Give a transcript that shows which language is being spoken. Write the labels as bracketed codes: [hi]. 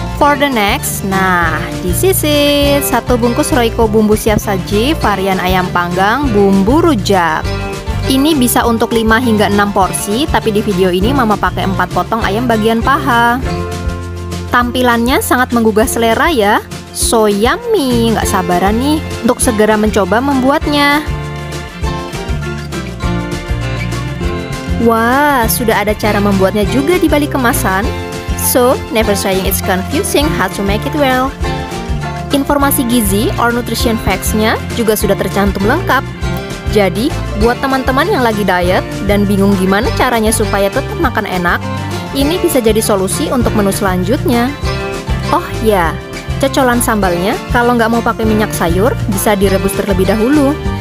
[en] For the next, nah this is it. [id] 1 bungkus Royco bumbu siap saji varian ayam panggang bumbu rujak. Ini bisa untuk 5 hingga 6 porsi, tapi di video ini Mama pakai 4 potong ayam bagian paha. Tampilannya sangat menggugah selera ya. So yummy, gak sabaran nih untuk segera mencoba membuatnya. Wah, sudah ada cara membuatnya juga di balik kemasan. [en] So, never saying it's confusing how to make it well. [id] Informasi gizi or nutrition facts- nya juga sudah tercantum lengkap. Jadi, buat teman-teman yang lagi diet dan bingung gimana caranya supaya tetap makan enak, ini bisa jadi solusi untuk menu selanjutnya. Oh ya, cocolan sambalnya, kalau nggak mau pakai minyak sayur, bisa direbus terlebih dahulu.